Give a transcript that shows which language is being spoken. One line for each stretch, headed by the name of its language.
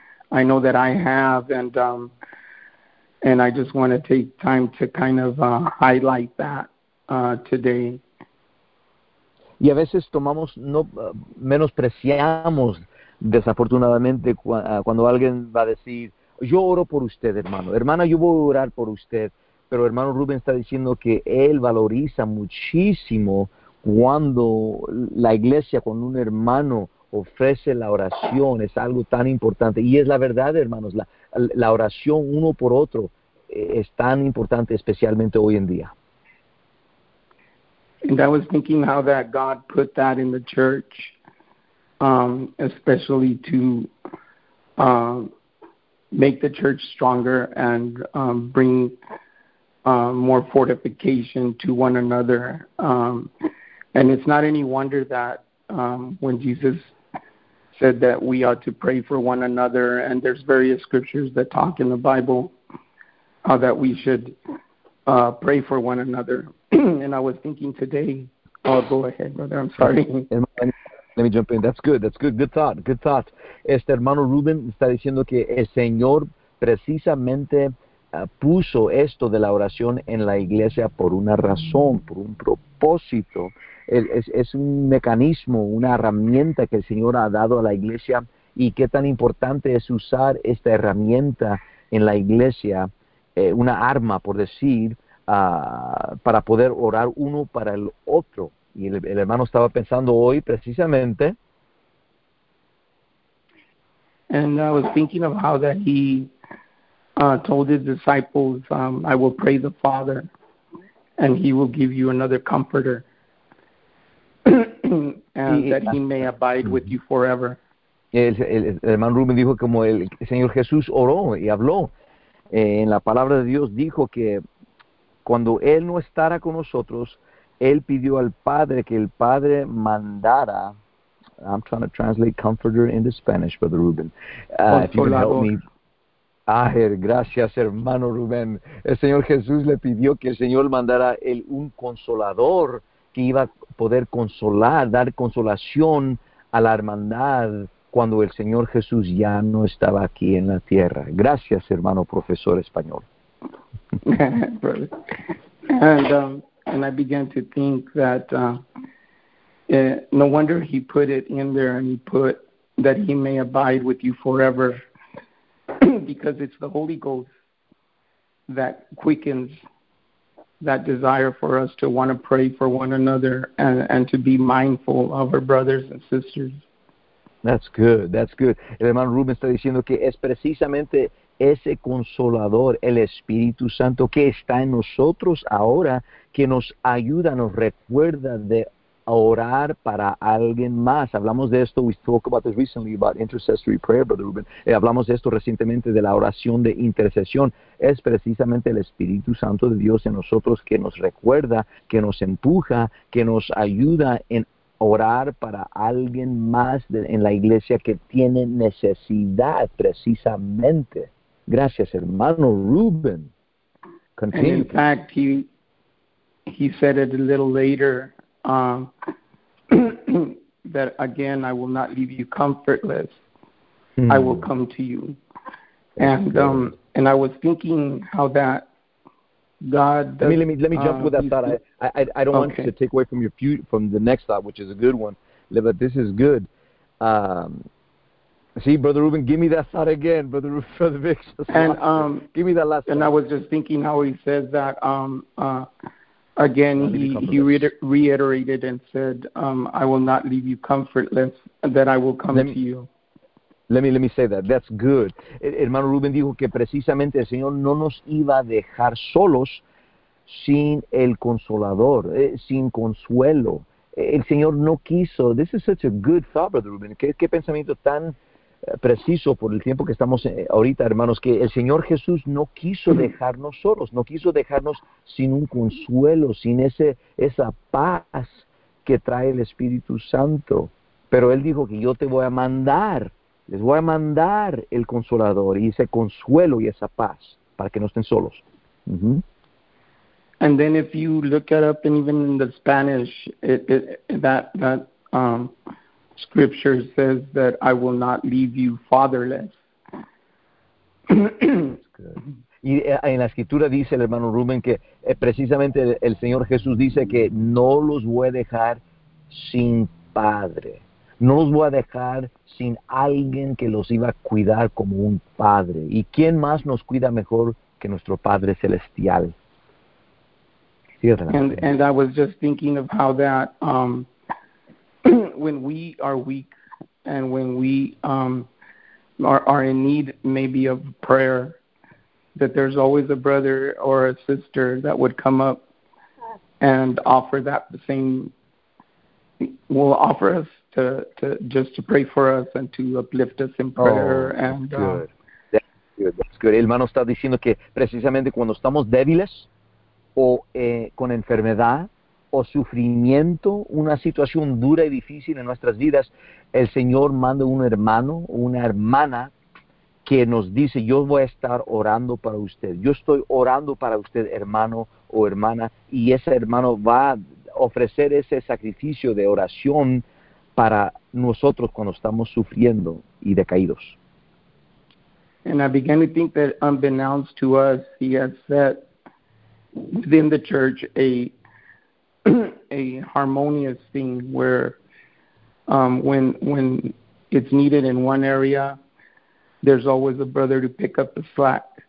English: I know that I have, and I just want to take time to kind of highlight that today.
Spanish: Y a veces tomamos, menospreciamos, desafortunadamente, cuando alguien va a decir, yo oro por usted, hermano. Hermana, yo voy a orar por usted. Pero hermano Rubén está diciendo que él valoriza muchísimo cuando la iglesia, cuando un hermano ofrece la oración, es algo tan importante. Y es la verdad, hermanos, la oración uno por otro es tan importante, especialmente hoy en día.
English: And I was thinking how that God put that in the church, especially to make the church stronger and bring more fortification to one another. And it's not any wonder that when Jesus said that we ought to pray for one another, and there's various scriptures that talk in the Bible that we should pray for one another. And I was thinking today, oh, go ahead, brother, I'm sorry. Let me jump in. That's good. Good thought.
Spanish: Hermano Rubén está diciendo que el Señor precisamente puso esto de la oración en la iglesia por una razón, por un propósito. Es un mecanismo, una herramienta que el Señor ha dado a la iglesia, y qué tan importante es usar esta herramienta en la iglesia, una arma, por decir, para poder orar uno para el otro. Y el hermano estaba pensando hoy precisamente.
English: And I was thinking of how that he told his disciples, I will pray the Father, and he will give you another comforter, and that he may abide with you forever.
Spanish: El hermano Rubén dijo como el Señor Jesús oró y habló. En la palabra de Dios dijo que cuando Él no estará con nosotros, Él pidió al Padre que el Padre mandara
English: I'm trying to translate comforter into Spanish, Brother Ruben. If you can help me.
Spanish: Ay, gracias, hermano
English: Rubén.
Spanish: El Señor Jesús le pidió que el Señor mandara un consolador que iba a poder consolar, dar consolación a la hermandad cuando el Señor Jesús ya no estaba aquí en la tierra. Gracias, hermano profesor español.
English: And I began to think that no wonder he put it in there, and he put that he may abide with you forever, because it's the Holy Ghost that quickens that desire for us to want to pray for one another and to be mindful of our brothers and sisters. That's good, that's good.
Spanish: El hermano Rubén está diciendo que es precisamente ese Consolador, el Espíritu Santo, que está en nosotros ahora, que nos ayuda, nos recuerda de orar para alguien más. Hablamos de esto,
English: we spoke about this recently, about intercessory prayer, Brother Ruben.
Spanish: Hablamos de esto recientemente, de la oración de intercesión. Es precisamente el Espíritu Santo de Dios en nosotros que nos recuerda, que nos empuja, que nos ayuda en orar para alguien más en la iglesia que tiene necesidad, precisamente. Gracias, hermano Ruben.
English: Continue. And in fact, he said it a little later, that again, I will not leave you comfortless. Mm. I will come to you. And I was thinking how that God does, let me jump with that thought. I don't want you to take away from your from the next thought, which is a good one. But this is good. See, Brother Ruben, give me that thought again, Brother Vic. Give me that last. And thought. I was just thinking how he says that. Again, he reiterated and said, "I will not leave you comfortless; that I will come to you." Let me say that. That's good.
Spanish: Hermano Rubén dijo que precisamente el Señor no nos iba a dejar solos sin el Consolador, sin consuelo. El Señor no quiso.
English: This is such a good thought, Brother Rubén.
Spanish: ¿Qué pensamiento tan preciso por el tiempo que estamos ahorita, hermanos, que el Señor Jesús no quiso dejarnos solos, no quiso dejarnos sin un consuelo, sin esa paz que trae el Espíritu Santo. Pero Él dijo que yo te voy a mandar. Les voy a mandar el Consolador y ese consuelo y esa paz para que no estén solos. Mm-hmm.
English: And then if you look it up, and even in the Spanish, that scripture says that I will not leave you fatherless.
Spanish: Y en la escritura dice el hermano Rubén que precisamente el Señor Jesús dice que no los voy a dejar sin padre. No los voy a dejar sin alguien que los iba a cuidar como un padre. ¿Y quién más nos cuida mejor que nuestro Padre Celestial?
English: And I was just thinking of how that when we are weak and when we are in need maybe of prayer, that there's always a brother or a sister that would come up and offer that offer us to pray for us and to uplift us in prayer. That's good.
Spanish: El hermano está diciendo que precisamente cuando estamos débiles o con enfermedad o sufrimiento, una situación dura y difícil en nuestras vidas, el Señor manda un hermano o una hermana que nos dice, yo voy a estar orando para usted. Yo estoy orando para usted, hermano o hermana, y ese hermano va a ofrecer ese sacrificio de oración para nosotros cuando estamos sufriendo y decaídos.
English: And I began to think that unbeknownst to us, he has set within the church a harmonious thing where when it's needed in one area, there's always a brother to pick up the slack.